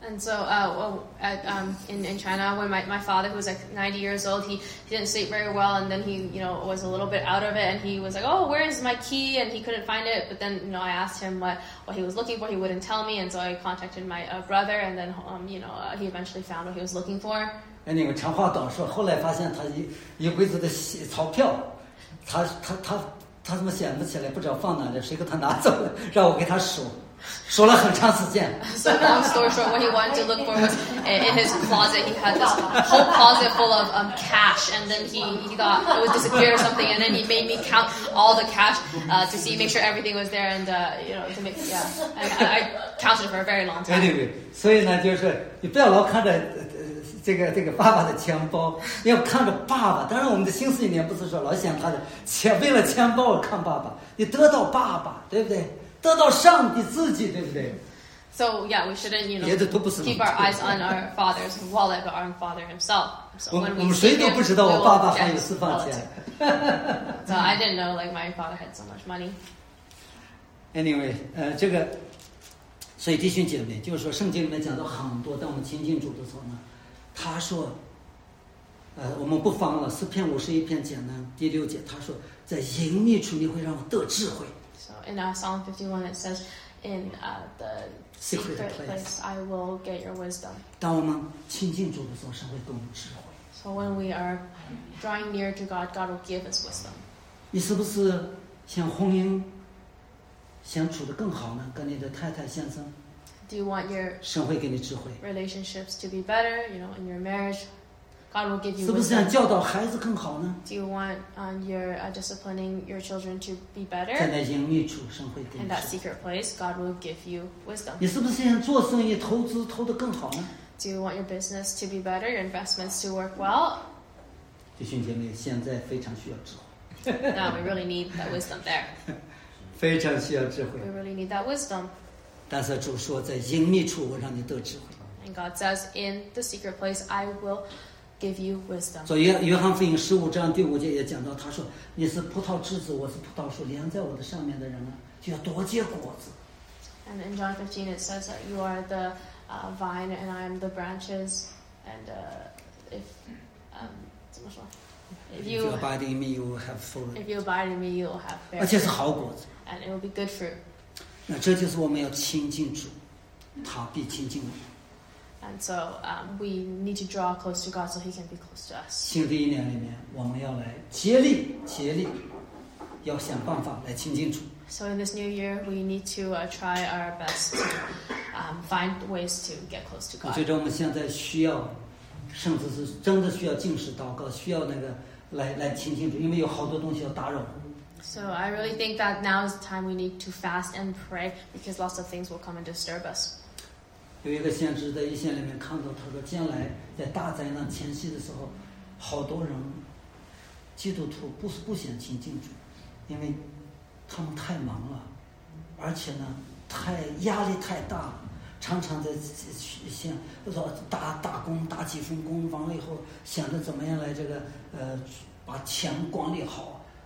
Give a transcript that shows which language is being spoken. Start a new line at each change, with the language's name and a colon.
English: And so, in China, when my father, who was like 90 years old, he didn't sleep very well, and then he, you know, was a little bit out of it, and he was like, oh, where is my key? And he couldn't find it, but then, you know, I asked him what he was looking for, he wouldn't tell me, and so I contacted my brother, and then, you know, he eventually found what he was looking for. Anyway,
Chinese: 长话短说，后来发现他一柜子的钞票，他怎么捡不起来，不知道放哪里，谁给他拿走了，让我给他数，数了很长时间。
English: So long story short, what he wanted to look for was in his closet. He had this whole closet full of cash, and then he thought it would disappear or something, and then he made me count all the cash to see, make sure everything was there, and you know, to make, yeah. I counted for a very long time. Anyway,
Chinese: 所以呢，就是你不要老看着这个爸爸的钱包，要看着爸爸。当然，我们的心思里面不是说老想他的钱，为了钱包而看爸爸。你得到爸爸，对不对？得到上帝自己，对不对
English: ？So yeah, we shouldn't, you know, keep our eyes on our father's wallet, but on father himself. So when we see him, we'll check his wallet. So I didn't know, like, my father had so much money. Anyway,
Chinese: 这个，所以弟兄姐妹，就是说圣经里面讲到很多，但我们亲近主的时候呢？他说我们不妨了，诗篇五十一篇简单第六节，他说在隐秘处你会让我得智慧。
English: So in our Psalm 51 it says in the secret place I will get your wisdom.
Chinese: 当我们亲近主的时候，神会给我们智慧。
English: So when we are drawing near to God, God will give us wisdom.
Chinese: 你是不是想婚姻想处得更好呢？跟你的太太先生，
English: Do you want your
Chinese: 神会给你智慧
English: relationships to be better, you know, in your marriage? God will give you wisdom.
Chinese: 是不是想教导孩子更好呢？
English: Do you want your disciplining your children to be better?
Chinese: 在那隐秘处，神会给你。
English: In that secret place, God will give you wisdom.
Chinese: 你是不是想做生意投资投得更好呢？
English: Do you want your business to be better, your investments to work well?
Chinese: 弟兄姐妹，现在非常需要智慧。
English: Now we really need that wisdom there.
Chinese: 非常需要智慧。
English: We really need that wisdom.
Chinese: 但是主说在隐秘处我让你得智慧。
English: And God says in the secret place I will give you wisdom.
Chinese: 所以约翰福音十五章第五节也讲到，他说你是葡萄枝子，我是葡萄树，连在我的上面的人呢，就要多结果子。
English: And in John 15 it says that you are the vine and I am the branches. And if
Chinese: 怎么说，
English: If you abide in me you will have fruit.
Chinese: 而且是好果子。
English: And it will be good fruit.
Chinese: 那这就是我们要亲近主，他必亲近我们。
English: And so, we need to draw close to God so He can be close to us.
Chinese: 新的一年里面，我们要来竭力，要想办法来亲近主。
English: So in this new year, we need to try our best to find ways to get close to God.
Chinese: 我觉得我们现在需要，甚至是真的需要禁食祷告，需要那个来亲近主，因为有好多东西要打扰。
English: So I really think that now is the time we need to fast and pray because lots of things will come and disturb us.
Chinese: 有一个先知在一线里面看到，他说将来在大灾难前夕的时候，好多人基督徒不想亲近主，因为他们太忙了，而且呢太压力太大了，常常在先说打工打几份工，完了以后想着怎么样来这个把钱管理好。